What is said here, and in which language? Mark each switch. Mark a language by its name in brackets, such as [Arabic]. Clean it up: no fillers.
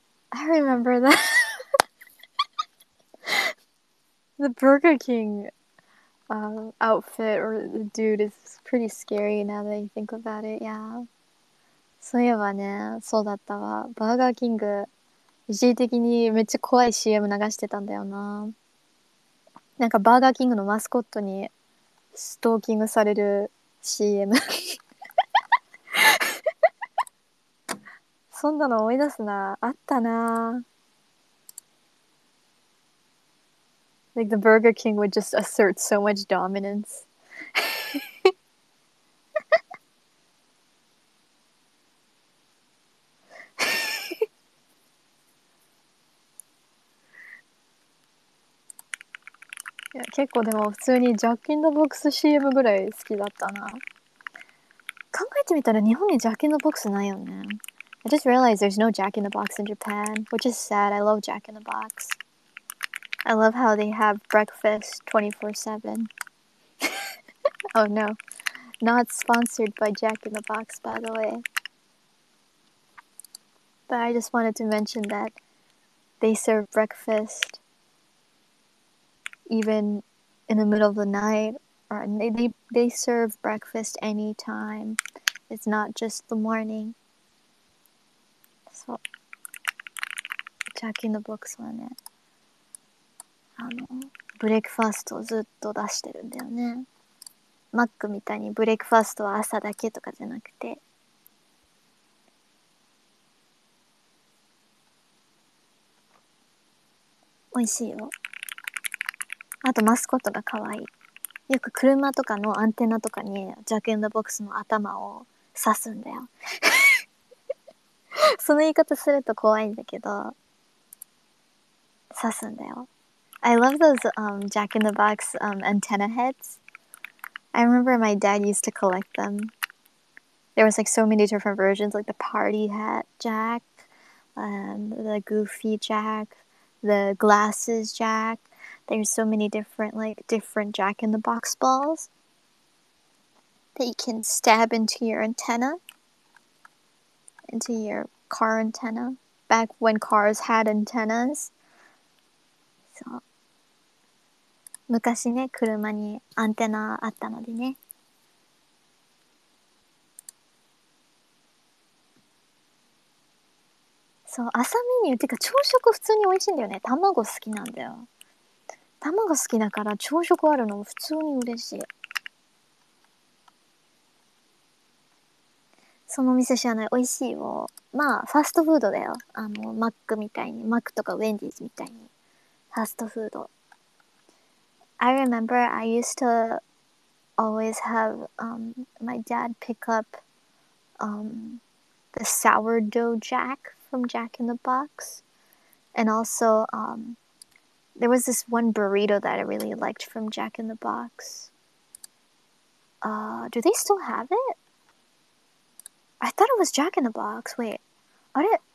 [English] I remember that. The Burger King outfit or the dude is pretty scary now that you think about it. Yeah. [Japanese] そういえばね、そうだったわ。バーガーキング。一時的にめっちゃ怖い CM 流してたんだよな。なんかバーガーキングのマスコットにストーキングされる CM。そんなの思い出すな。あったな。 [English] Like the Burger King would just assert so much dominance. [Japanese] いや、結構でも普通にジャック・イン・ザ・ボックス CM ぐらい好きだったな。考えてみたら日本にジャック・イン・ザ・ボックスないよね。 [English] I just realized there's no Jack in the Box in Japan, which is sad. I love Jack in the Box. I love how they have breakfast 24/7. Oh no. Not sponsored by Jack in the Box, by the way. But I just wanted to mention that they serve breakfast. Even in the middle of the night, or they serve breakfast anytime. It's not just the morning. [Japanese] So, Jack in the Box はね、ブレックファーストをずっと出してるんだよね。マックみたいにブレックファーストは朝だけとかじゃなくて。美味しいよ。あとマスコットが可愛い。よく車とかのアンテナとかにジャック・イン・ザ・ボックスの頭を刺すんだよ。その言い方すると怖いんだけど、刺すんだよ。 [English] I love those Jack in the Box antenna heads. I remember my dad used to collect them. There was like so many different versions, like the party hat Jack, the goofy Jack, the glasses Jack. There's so many different jack-in-the-box balls that you can stab into your antenna, into your car antenna. back when cars had antennas. [Japanese] そう。昔ね、車にアンテナあったのでね。そう、朝メニューってか朝食普通に美味しいんだよね。卵好きなんだよ。卵好きだから朝食あるのも普通に嬉しい。その店知らない、美味しいよ。まあファストフードだよ。あのマックみたいに、マックとかウェンディーズみたいにファストフード。 [English] I remember I used to always have、my dad pick up、the sourdough jack from Jack in the Box and also、there was this one burrito that I really liked from Jack in the Box、do they still have itI thought it was Jack in the Box. Wait. Are it?